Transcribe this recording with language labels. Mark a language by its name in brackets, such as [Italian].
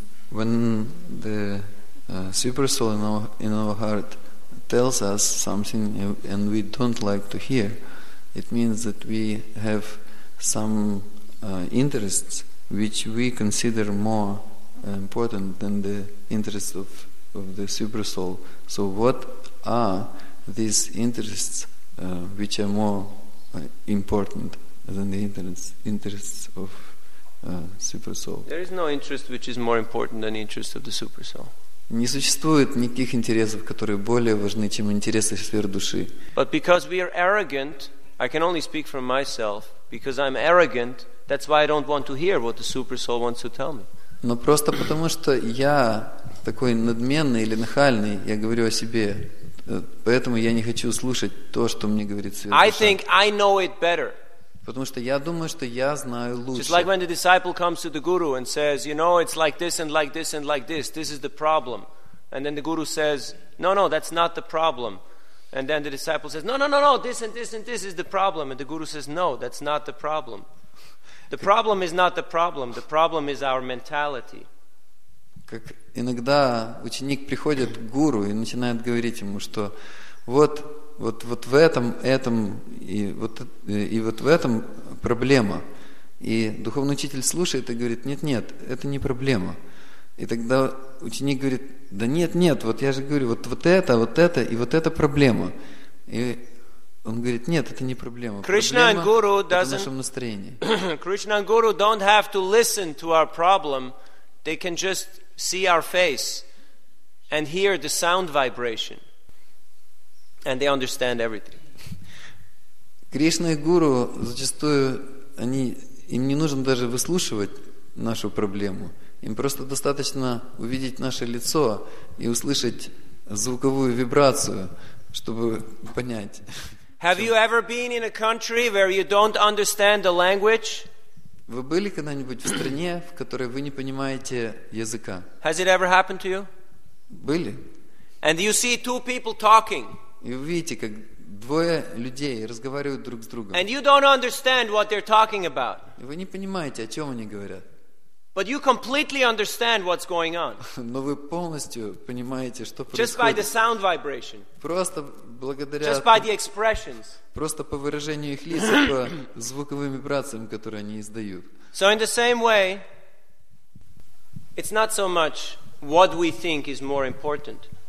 [English] when the super soul in our heart tells us something and we don't like to hear, it means that we have some interests which we consider more important than the interests of the super soul. So what are these interests which are more important than the interests of super soul? There is no interest which is more important than the interest of the super soul. [Russian] Не существует никаких интересов, которые более важны, чем интересы сферы души. [English] But because we are arrogant, I can only speak for myself, because I'm arrogant, that's why I don't want to hear what the super soul wants to tell me. [Russian] Но просто потому, что я такой надменный или нахальный, я говорю о себе, поэтому я не хочу слушать то, что мне говорит сверху. [English] I think I know it better. [Russian] Потому что я думаю, что я знаю лучше. [English] Just like when the disciple comes to the guru and says, you know, it's like this and like this and like this, this is the problem. And then the guru says, no, no, that's not the problem. And then the disciple says, no, no, no, no, this and this and this is the problem. And the guru says, no, that's not the problem. The problem is not the problem. The problem is our mentality. [Russian] Как иногда ученик приходит к гуру и начинает говорить ему, что вот в этом и вот в этом проблема. И духовный учитель слушает и говорит, нет, это не проблема. И тогда ученик говорит, да нет, вот я же говорю, вот это и вот это проблема. И он говорит, нет, это не проблема. [English] Krishna [Russian] проблема [English] and guru doesn't, [Russian] это в нашем настроении. [English] Krishna and guru don't have to listen to our problem. They can just see our face and hear the sound vibration. And they understand everything. [Russian] Кришна и гуру зачастую они им не нужно даже выслушивать нашу проблему. Им просто достаточно увидеть наше лицо и услышать звуковую вибрацию, чтобы понять. [English] Have you ever been in a country where you don't understand the language? [Russian] Вы были когда-нибудь в стране, в которой вы не понимаете языка? [English] Has it ever happened to you? [Russian] Были. [English] And you see two people talking. [Russian] И вы видите, как двое людей разговаривают друг с другом. [English] And you don't understand what they're talking about. [Russian] И вы не понимаете, о чем они говорят. [English] But you completely understand what's going on. [Russian] Но вы полностью понимаете, что происходит. [English] Just by the sound vibration. [Russian] Просто благодаря. [English] Just by the expressions. [Russian] Просто по выражению их лиц, по звуковым вибрациям, которые они издают. [English] So in the same way, it's not so much what we think is more important.